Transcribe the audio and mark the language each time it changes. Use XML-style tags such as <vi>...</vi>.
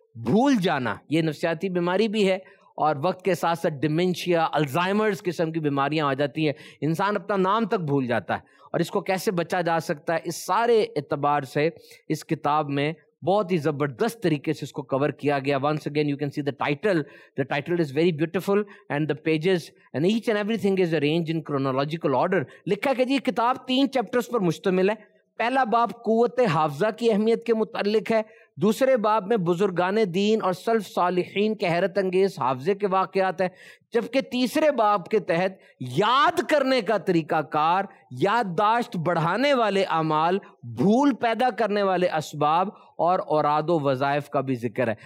<ur>بھول جانا یہ نفسیاتی بیماری بھی ہے, اور وقت کے ساتھ ساتھ ڈیمنشیا, الزائمرز قسم کی بیماریاں آ جاتی ہیں, انسان اپنا نام تک بھول جاتا ہے. اور اس کو کیسے بچا جا سکتا ہے, اس سارے اعتبار سے اس کتاب میں بہت ہی زبردست طریقے سے اس کو کور کیا گیا.</ur> <en>Once again you can see the title is very beautiful, and the pages and each and everything is arrange in chronological order.</en> <ur>لکھا کہ جی کتاب تین چیپٹرز پر مشتمل ہے. پہلا باب قوت حافظہ کی اہمیت کے متعلق ہے, دوسرے باب میں بزرگان دین اور سلف صالحین کے حیرت انگیز حافظے کے واقعات ہیں, جبکہ تیسرے باب کے تحت یاد کرنے کا طریقہ کار, یادداشت بڑھانے والے اعمال, بھول پیدا کرنے والے اسباب اور اوراد و وظائف کا بھی ذکر ہے.</ur>